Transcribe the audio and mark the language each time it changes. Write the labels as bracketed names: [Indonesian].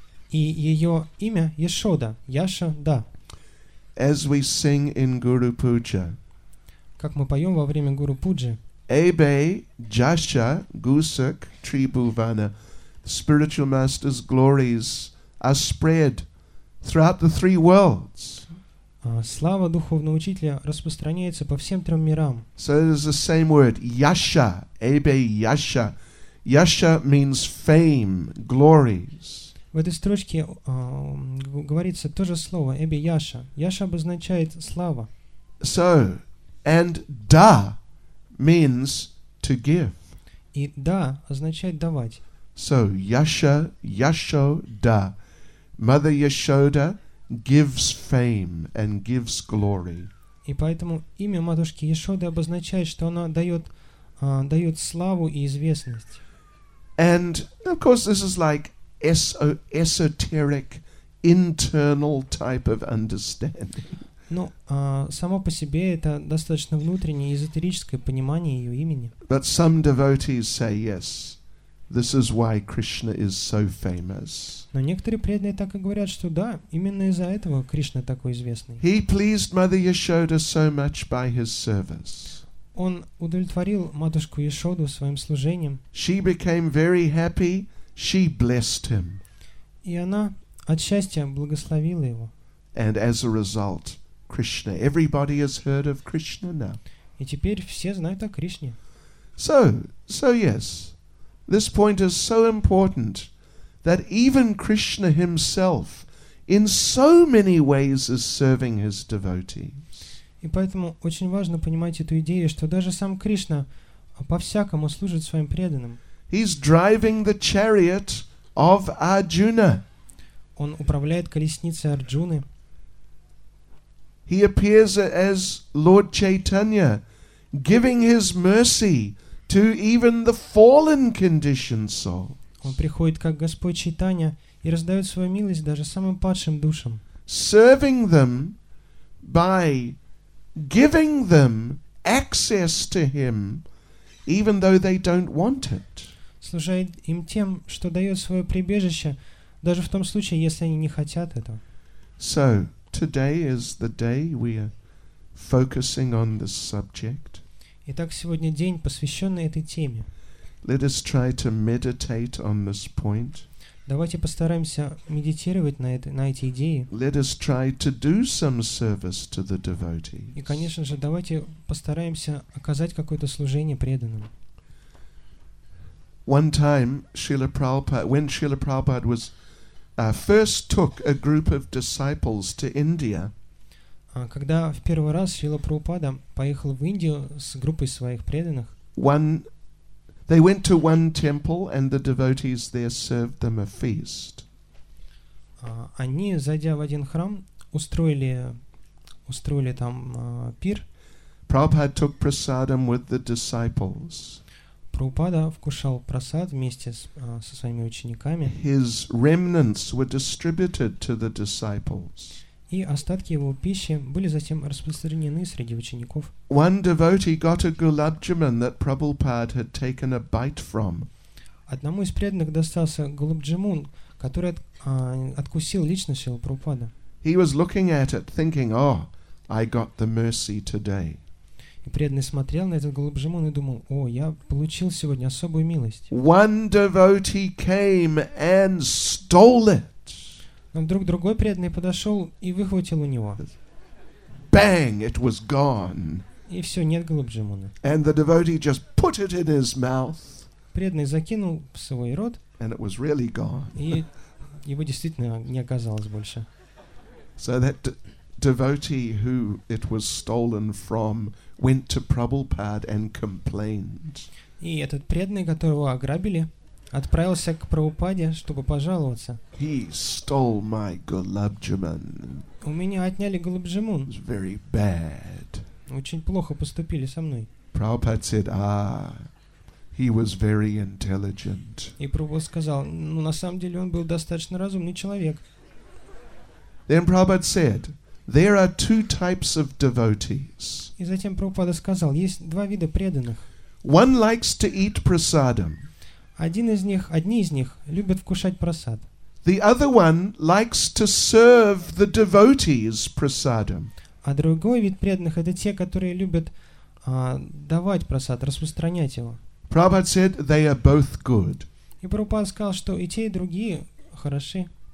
[Russian] И ее имя Яшода, Яшода. [English] As we sing in Guru Puja. [Russian] Как мы поем во время Гуру Пуджи. [Sanskrit] Эбе, Джаша, Гусак, Трибувана. [English] Spiritual master's glories are spread throughout the three worlds. [Russian] Слава духовного учителя распространяется по всем трем мирам. [English] So it is the same word, Yasha, [Sanskrit] Ebe Yasha. [English] Yasha means fame, glories. [Russian] В этой строчке говорится то же слово, [Sanskrit] Ebe Yasha. [Russian] Yasha обозначает слава. [English] So, and da means to give. [Russian] И da означает давать. [English] So, Yasha, Yashoda, Mother Yashoda gives fame and gives glory. [Russian] И поэтому имя матушки Яшоды обозначает, что она дает славу и известность. [English] And, of course, this is like esoteric, internal type of understanding. [Russian] Ну, само по себе это достаточно внутреннее, эзотерическое понимание ее имени. [English] But some devotees say yes. This is why Krishna is so famous. [Russian] Но некоторые преданные так и говорят, что да, именно из-за этого Кришна такой известный. [English] He pleased Mother Yashoda so much by his service. [Russian] Он удовлетворил матушку Яшоду своим служением. [English] She became very happy. She blessed him. [Russian] И она от счастья благословила его. [English] And as a result, Krishna. Everybody has heard of Krishna now. [Russian] И теперь все знают о Кришне. [English] So yes. This point is so important that even Krishna himself in so many ways is serving his devotees. [Russian] И поэтому очень важно понимать эту идею, что даже сам Кришна по-всякому служит своим преданным. [English] He's driving the chariot of Arjuna. [Russian] Он управляет колесницей Арджуны. [English] He appears as Lord Chaitanya, giving his mercy to even the fallen condition soul. [Russian] Он приходит как Господь Чайтанья и раздает свою милость даже самым падшим душам. [English] Serving them by giving them access to him, even though they don't want it. [Russian] Служает им тем, что дает свое прибежище, Даже в том случае, если они не хотят этого. [English] So, today is the day we are focusing on this subject. [Russian] Итак, сегодня день, посвященный этой теме. [English] Let us try to meditate on this point. [Russian] Давайте постараемся медитировать на эти идеи. [English] Let us try to do some service to the devotees. [Russian] И, конечно же, давайте постараемся оказать какое-то служение преданным. [English] One time, when Srila Prabhupada was first took a group of disciples to India. [Russian] Когда в первый раз Шрила Прабхупада поехал в Индию с группой своих преданных. [English] They went to one temple and the devotees there served them a feast. [Russian] Они, зайдя в один храм, устроили там пир. [English] Prabhupada took prasadam with the disciples. [Russian] Прабхупада вкушал прасад вместе со своими учениками. [English] His remnants were distributed to the disciples. [Russian] И остатки его пищи были затем распространены среди учеников. [English] One devotee got a gulab jamun that Prabhupada had taken a bite from. [Russian] Одному из преданных достался гулаб джамун, который откусил лично Шрила Прабхупада. [English] He was looking at it, thinking, "Oh, I got the mercy today." [Russian] И преданный смотрел на этот гулаб джамун и думал: "О, я получил сегодня особую милость." [English] One devotee came and stole it. [Russian] Но вдруг другой преданный подошел и выхватил у него. [English] Bang! It was gone. [Russian] И все, нет гулаб джамуна. [English] And the devotee just put it in his mouth. [Russian] Преданный закинул в свой рот. [English] And it was really gone. [Russian] И его действительно не оказалось больше. [English] So that devotee who it was stolen from went to Prabhupada and complained. [Russian] И этот преданный, которого ограбили, отправился к Прабхупаде, чтобы пожаловаться. [English] He stole my gulab jamun. [Russian] У меня отняли гулаб джамун. [English] Very bad. [Russian] Очень плохо поступили со мной. [English] Prabhupada said, he was very intelligent. [Russian] И Прабхупада сказал, ну на самом деле он был достаточно разумный человек. [English] Then Prabhupada said, there are two types of devotees. [Russian] И затем Прабхупада сказал, есть два вида преданных. [English] One likes to eat prasadam. [Russian] Одни из них любят вкушать прасад. [English] The other one likes to serve the devotees prasadam. [Russian] А другой вид преданных — это те, которые любят давать прасад, распространять его. [English] Prabhupada said they are both good. [Russian] И Прабхупада сказал, что и те, и другие хороши.